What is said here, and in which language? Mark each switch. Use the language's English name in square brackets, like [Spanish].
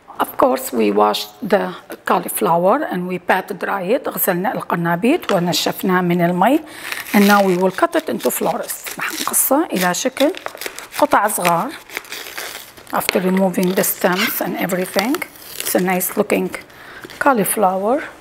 [English] Of course, we washed the cauliflower and we pat dry it. [Arabic] غسلنا القنابيط ونشفناه من المي. [English] And now we will cut it into florets. [Arabic] نقصها إلى شكل قطع صغار. [English] After removing the stems and everything, it's a nice looking cauliflower.